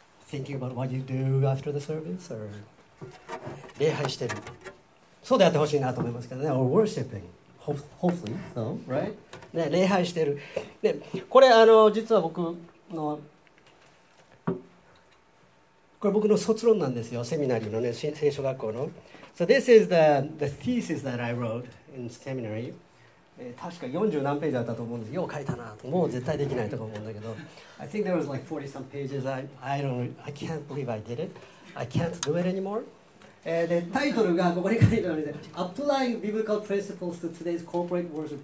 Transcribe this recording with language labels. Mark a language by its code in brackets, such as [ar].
[en] Thinking about what you do after the service or [ja] 礼拝してる。そうであってほしいなと思いますけどね。 [en] Or worshiping, hopefully, so, right? [ja] ね、礼拝してる。で、これ実は僕のこれ僕の卒論なんですよ。セミナリーのね、聖書学校の。 [en] So this is the thesis that I wrote in seminary. [ja] 確か40何ページあったと思うんです。よう書いたなと。もう絶対できないと思うんだけど。 [en] I think there was like 40 some pages. I can't believe I did it. I can't do it anymore. [ja] で、タイトルがここに書いてあるんで、 [en] Applying Biblical Principles to Today's Corporate Worship.